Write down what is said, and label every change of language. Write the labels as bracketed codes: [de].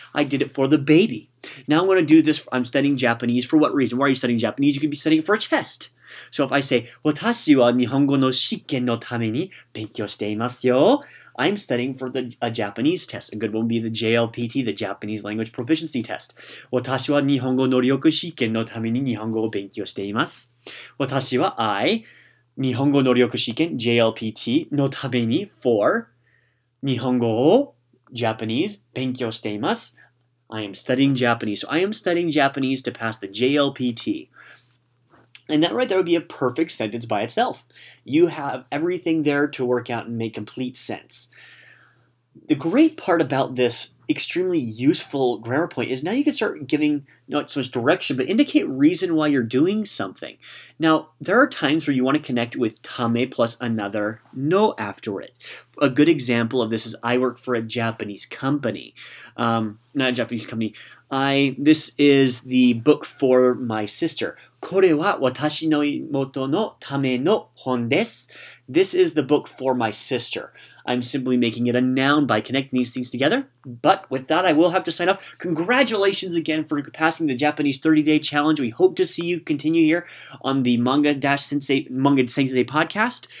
[en] I did it for the baby. Now, I'm going to do this. I'm studying Japanese. For what reason? Why are you studying Japanese? You could be studying it for a test. So if I say, [ja] 私は日本語の試験のために勉強していますよ. [en] I'm studying for a Japanese test. A good one would be the JLPT, the Japanese Language Proficiency Test. [ja] 私は日本語能力試験のために日本語を勉強しています. 私は [en] I, [ja] 日本語能力試験 [en] JLPT, [ja] のために [en] for [ja] 日本語を [en] Japanese [ja] 勉強しています. [en] I am studying Japanese. So I am studying Japanese to pass the JLPT. And that right there would be a perfect sentence by itself. You have everything there to work out and make complete sense. The great part about this extremely useful grammar point is now you can start giving not so much direction, but indicate reason why you're doing something. Now, there are times where you want to connect with tame plus another no after it. A good example of this is I work for a Japanese company. This is the book for my sister. [ja] これは私の妹のための本です. [en] This is the book for my sister. I'm simply making it a noun by connecting these things together. But with that, I will have to sign off. Congratulations again for passing the Japanese 30-day challenge. We hope to see you continue here on the Manga-Sensei podcast.